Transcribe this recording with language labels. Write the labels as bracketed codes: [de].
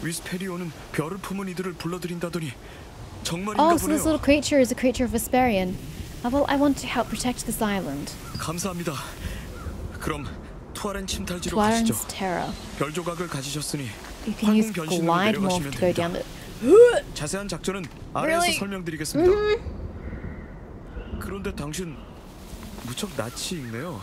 [ko] 위스페리온은 별을 품은 이들을 불러들인다더니 정말인가 보네요. [en] Oh, so this little creature is a creature of Vesperion. Well, I want to help protect this island. [ko] 감사합니다. 그럼 투아렌 침탈지로 가시죠. [en] Twaren's Terror. [ko] 별 조각을 가지셨으니 황금 변신으로 내려가시면 됩니다. 자세한 작전은 아래에서 설명드리겠습니다. 그런데 당신 무척 낯이 익네요.